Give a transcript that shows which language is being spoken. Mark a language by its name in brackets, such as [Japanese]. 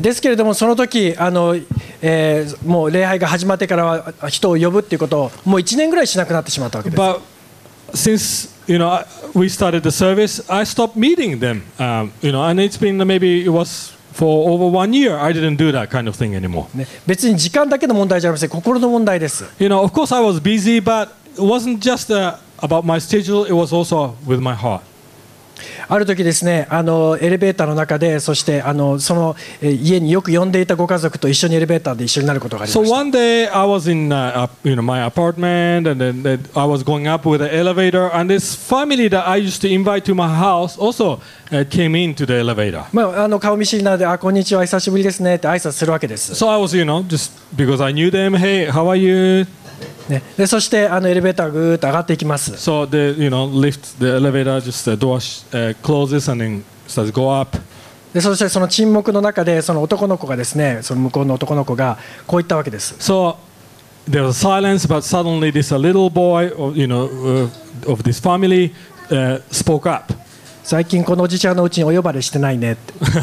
[Japanese] ですけれども、その時あの、もう礼拝が始まってからは人を呼ぶっていうことをもう1年ぐらいしなくなってしまったわけです。 [English] But since you know we started the service, I stopped meeting them. You know, and it's been maybe it was. For over one year, I didn't do that kind of thing anymore. [Japanese] 別に時間だけの問題じゃありません。心の問題です。 [English] You know, of course I was busy, but it wasn't just about my schedule. It was also with my heart. [Japanese] ある時ですね、あのエレベーターの中で、そしてあのその家によく呼んでいたご家族と一緒にエレベーターで一緒になることがありました。 [English] So one day I was in you know, my apartment, and then I was going up with an elevator, and this family that I used to invite to my house also. Came into the elevator. [Japanese] まあ、あの顔見知りなので、あ、こんにちは、久しぶりですねって挨拶するわけです。 [English] So I was, you know, just because I knew them, hey, how are you? [Japanese] ね、で、そしてあのエレベーターぐーっと上がっていきます。 [English] So the, you know, lift the elevator, just the door closes and then starts go up. [Japanese] で、そしてその沈黙の中で、その男の子がですね、その向こうの男の子がこう言ったわけです。 [English] So there was silence, but suddenly this little boy, you know, of this family, spoke up. [Japanese] 最近このおじちゃんのうちにお呼ばれしてないねって。